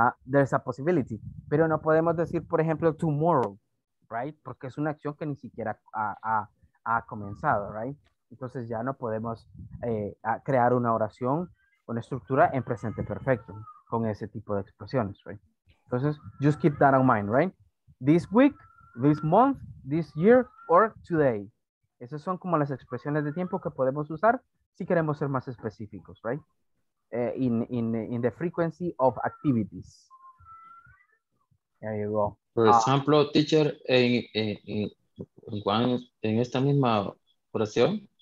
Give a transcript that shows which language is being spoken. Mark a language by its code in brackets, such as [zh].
[en] There's a possibility, [es] pero no podemos decir, por ejemplo, tomorrow, right? Porque es una acción que ni siquiera ha comenzado, right? Entonces ya no podemos crear una oración, una estructura en presente perfecto con ese tipo de expresiones, right? [en] Entonces, just keep that in mind, right? This week, this month, this year, or today. [es] Esas son como las expresiones de tiempo que podemos usar si queremos ser más específicos, right? [en] In the frequency of activities. There you go. [es] Por ejemplo, teacher, en esta misma oración,